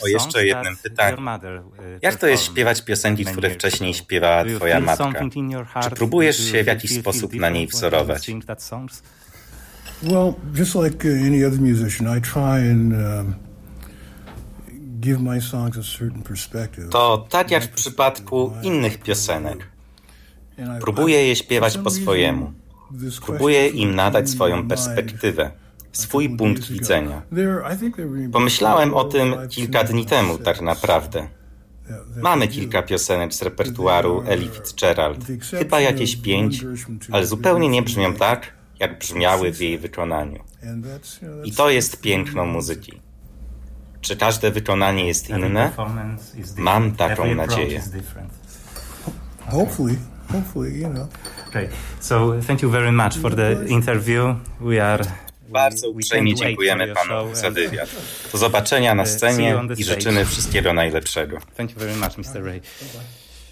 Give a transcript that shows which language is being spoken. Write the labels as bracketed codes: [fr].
[pl] o jeszcze jednym pytaniu. Jak to jest śpiewać piosenki, które wcześniej śpiewała twoja matka? Czy próbujesz się w jakiś sposób na niej wzorować? [en] Well, just like any other musician, I try and give my songs a certain perspective. [pl] To tak jak w przypadku innych piosenek. Próbuję je śpiewać po swojemu. Próbuję im nadać swoją perspektywę, swój punkt widzenia. Pomyślałem o tym kilka dni temu, tak naprawdę. Mamy kilka piosenek z repertuaru Ellie Fitzgerald. Chyba jakieś 5, ale zupełnie nie brzmią tak, jak brzmiały w jej wykonaniu. I to jest piękno muzyki. Czy każde wykonanie jest inne? Mam taką nadzieję. [en] Hopefully, you know. Great. So thank you very much for the interview. We are [pl] bardzo uprzejmie dziękujemy panu za wywiad. Do zobaczenia na scenie i życzymy wszystkiego najlepszego. [en] Thank you very much, Mr. Ray. Bye-bye.